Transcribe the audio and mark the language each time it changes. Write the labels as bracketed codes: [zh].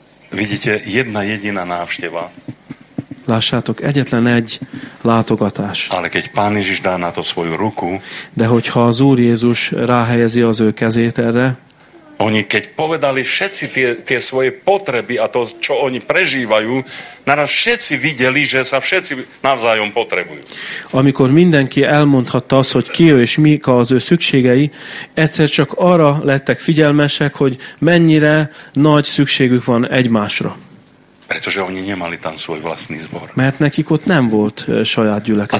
[sk] Vidíte, jedna jediná návšteva. [hu] Lássátok, egyetlen egy látogatás. [sk] Ale keď Pán Ježiš dá na to svoju ruku, [hu] de hogyha az Úr Jézus ráhelyezi az ő kezét erre, [sk] oni keď povedali všetci tie svoje potreby a to, čo oni prežívajú, naraz všetci videli, že sa všetci navzájom potrebujú. [hu] Amikor mindenki elmondhatta azt, hogy ki ő és mik az ő szükségei, egyszer csak arra lettek figyelmesek, hogy mennyire nagy szükségük van egymásra. [sk] Pretože oni nemali tam svoj vlastný zbor. [hu] Mert nekik ott nem volt saját gyülekezet.